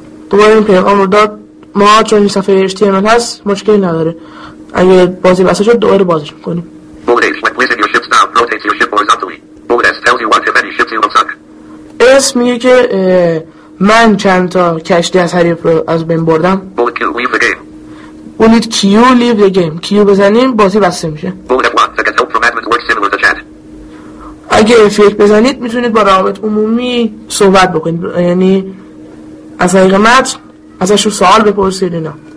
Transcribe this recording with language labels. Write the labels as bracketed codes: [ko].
[fa] دوباره این پیغام رو داد ما چون این صفحه HTML هست مشکلی نداره. اگه بازی بسته شد دوباره بازش میکنیم. [en] Bullet H, when placing your ship's nav, rotates your ship horizontally. Bullet S tells you what, if any, ships you have sunk. [fa] S میگه که من چند تا کشتی از حریف رو از بین بردم. [en] Bullet Q, leave the game. Bullet Q, leave the game. Q [fa] بزنیم بازی بسته میشه. [en] Bullet F1, the help from admin works similar to chat. [fa] اگه فیک بزنید میتونید با روابط عمومی صحبت بکنید، یعنی از طریق متن ازشون سوال بپرسید اینا.